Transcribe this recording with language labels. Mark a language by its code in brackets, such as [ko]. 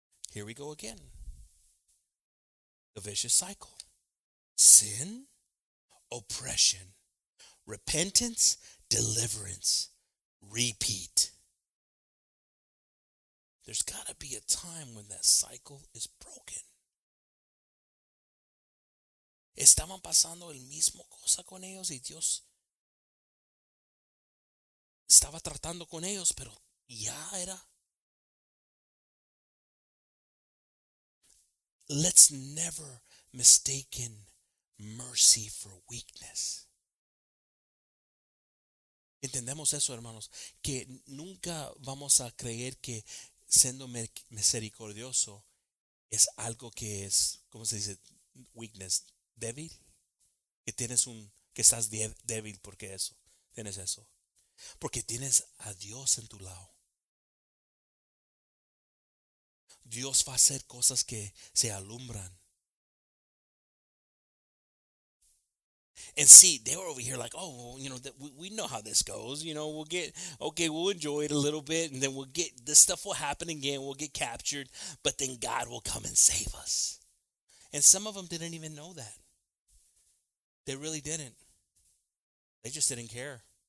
[en] Here we go again. The vicious cycle. Sin, oppression, repentance, deliverance, repeat. There's got to be a time when that cycle is broken. [es] Estaban pasando el mismo cosa con ellos y Dios estaba tratando con ellos, pero ya era. [en] Let's never mistake mercy for weakness. [es] Entendemos eso, hermanos, que nunca vamos a creer que siendo misericordioso es algo que es, ¿cómo se dice? Weakness. Débil, que tienes un, que estás débil porque eso, tienes eso, porque tienes a Dios en tu lado. Dios va a hacer cosas que se alumbran. [en] And see, they were over here like, oh, well, you know, we know how this goes. You know, we'll get, okay, we'll enjoy it a little bit, and then we'll get, this stuff will happen again. We'll get captured, but then God will come and save us. And some of them didn't even know that. They really didn't. They just didn't care.